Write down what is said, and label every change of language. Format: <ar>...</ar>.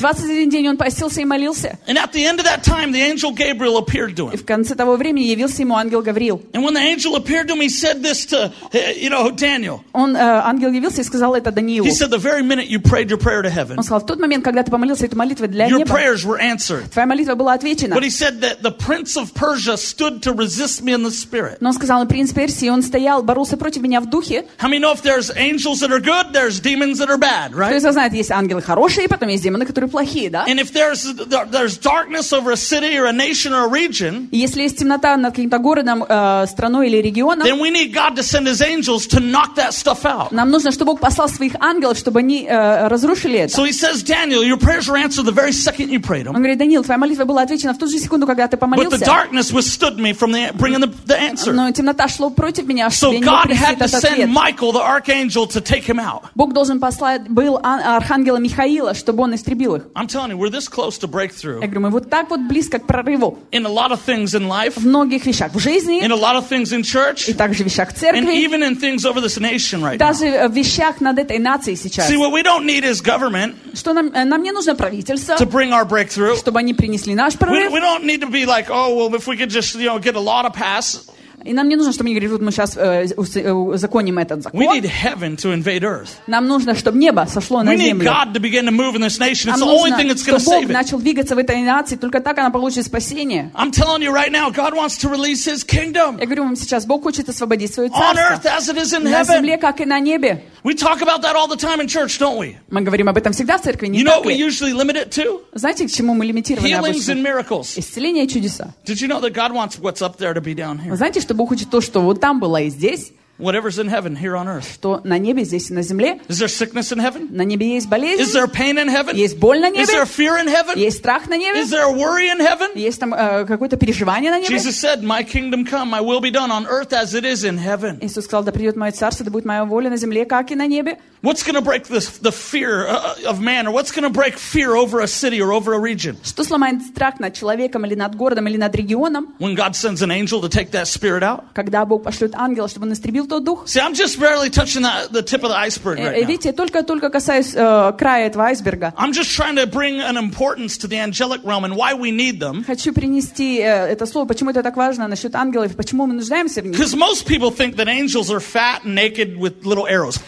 <ru>21 день он постился и молился.</ru> <en>And at the end of that time, the angel Gabriel appeared to him.</en> <ru>И в конце того времени явился ему ангел Гавриил.</ru> <en>And when the angel appeared to him, he said this to, you know, Daniel.</en> <ru>Он ангел явился и сказал это Даниилу.</ru> <en>He said, the very minute you prayed your prayer to heaven.</en> <ru>Он сказал, в тот момент, когда ты помолился этой молитвой для</ru> <en>your</en> <ru>неба,</ru> <en>prayers were answered.</en> <ru>Твоя молитва была отвечена.</ru> <en>But he said that the prince of Persia stood to resist me in the spirit.</en> <ru>Но он сказал, принц Персии, он стоял, боролся против меня в духе.</ru> <en>How many know if there's angels that are good, there's demons that are bad, right?</en> <ru>Кто из вас знает, есть ангелы хорошие, потом есть демоны, которые плохие, да?</ru> <en>And if there's darkness over a city or a nation or a region,</en> <ru>если есть темнота над каким-то городом, страной или регионом,</ru> <en>then we need God to send His angels to knock that stuff out.</en> <ru>Нам нужно, чтобы Бог послал своих ангелов, чтобы они разрушили это.</ru> <en>So he says, Daniel, your prayers were answered the very second you prayed them.</en> <ru>Он говорит, Даниил, твоя молитва была отвечена в ту же секунду, когда ты помолился.</ru> <en>But the darkness withstood me from bringing the answer.</en> <ru>Но темнота шла против меня, чтобы не принести этот ответ.</ru> <en>So God had to send Michael, the archangel, to take him out.</en> <ru>Бог должен послать был архангела Михаила, чтобы он истребил их.</ru> <en>I'm telling you, we're this close to breakthrough.</en> <ru>Я говорю, мы вот так вот близко к прорыву.</ru> <en>In a lot of things in life.</en> <ru>В многих вещах в жизни.</ru> <en>In a lot of things in church.</en> <ru>И также в вещах церкви.</ru> <en>And even in things over this nation right</en> <ru>даже</ru> <en>now.</en> <ru>Даже в вещах над этой нацией сейчас.</ru> <en>See, what we don't need is government.</en> <ru>Что нам не нужно правительство.</ru> <en>To bring our breakthrough.</en> <ru>Чтобы они принесли наш прорыв.</ru> <en>We don't need to be like, oh, well, if we could just, you know, get a law to pass.</en> <ru>И нам не нужно, чтобы они говорили, вот мы сейчас законим этот закон.</ru> <en>We need heaven to invade earth.</en> <ru>Нам нужно, чтобы небо сошло на</ru> <en>we</en> <ru>землю.</ru> <en>We need God to begin to move in this nation. It's</en> <ru>нам</ru> <en>the</en> <ru>нужно,</ru> <en>only thing that's going to save it.</en> <ru>Бог начал двигаться в этой нации, только так она получит спасение.</ru> <en>I'm telling you right now, God wants to release His kingdom.</en> <ru>Я говорю вам сейчас, Бог хочет освободить свое царство.</ru> <en>On earth as it is in heaven.</en> <ru>На земле, как и на небе.</ru> <en>We talk about that all the time in church, don't we?</en> <ru>Мы говорим об этом всегда в церкви, не так ли?</ru> <en>You know what we usually limit it to?</en> <ru>Знаете, к чему мы лимитируем обычно?</ru> <en>Healings and miracles.</en> <ru>Исцеления и чудеса.</ru> <en>Did you know that God wants what's up there to be down here?</en> <ru>Знаете, что Бог хочет то, что вот там было и здесь?</ru> <en>Whatever's in heaven, here on earth.</en> <ru>Что на небе, здесь и на земле?</ru> <en>Is there sickness in heaven?</en> <ru>На небе есть болезнь?</ru> <en>Is there pain in heaven?</en> <ru>Есть боль на небе?</ru> <en>Is there fear in heaven?</en> <ru>Есть страх на небе?</ru> <en>Is there worry in heaven?</en> <ru>Есть там какое-то переживание на небе?</ru> <en>Jesus said, "My kingdom come, my will be done on earth as it is in heaven."</en> <ru>Иисус сказал, да придет мое царство, да будет моя воля на земле, как и на небе.</ru> <en>What's going to break the fear of man, or what's going to break fear over a city or over a region?</en> <ru>Что сломает страх над человеком или над городом или над регионом?</ru> <en>When God sends an angel to take that spirit out?</en> <ru>Когда Бог пошлет ангела, чтобы он истребил</ru> <en>See, I'm just barely touching the tip of the iceberg right now.</en> <ru>Видите, только касаюсь края этого айсберга.</ru> <en>I'm just trying to bring an importance to the angelic realm and why we need them.</en> <ru>Хочу принести это слово, почему это так важно насчет ангелов, почему мы нуждаемся в них.</ru> <en>Because most people think that angels are fat and naked with little arrows.</en>